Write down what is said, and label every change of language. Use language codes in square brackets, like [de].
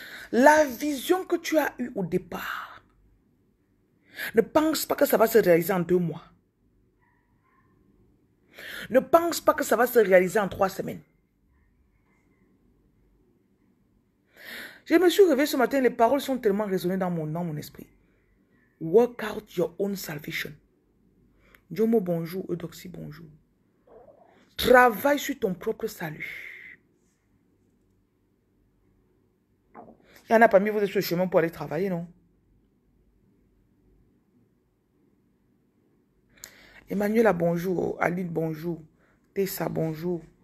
[fr] La vision que tu as eue au départ, ne pense pas que ça va se réaliser en 2 mois. Ne pense pas que ça va se réaliser en 3 semaines. Je me suis réveillée ce matin, les paroles sont tellement résonnées dans mon esprit. [en] Work out your own salvation. [fr] Jomo, bonjour. Eudoxie, bonjour. Travaille sur ton propre salut. Y en a parmi vous sur le chemin pour aller travailler, non? Emmanuela, bonjour. Aline, bonjour. Tessa, bonjour.